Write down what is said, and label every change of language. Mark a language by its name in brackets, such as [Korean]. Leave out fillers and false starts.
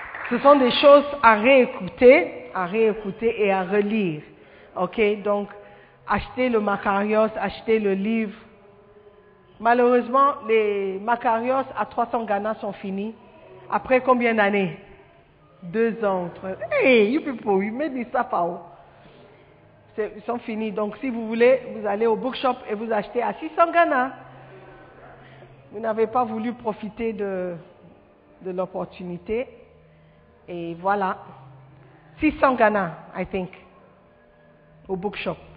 [French] Ce sont des choses à réécouter et à relire. Ok, donc, achetez le Makarios, achetez le livre. Malheureusement, les Makarios à 300 Ghana sont finis. Après combien d'années? 2 ans, 3 ans. [English] Hey, you people, you made me suffer. [French] Ils sont finis. Donc, si vous voulez, vous allez au bookshop et vous achetez à 600 Ghana. Vous n'avez pas voulu profiter de l'opportunité. Et voilà. [English] 600 Ghana, I think. [French] Au bookshop.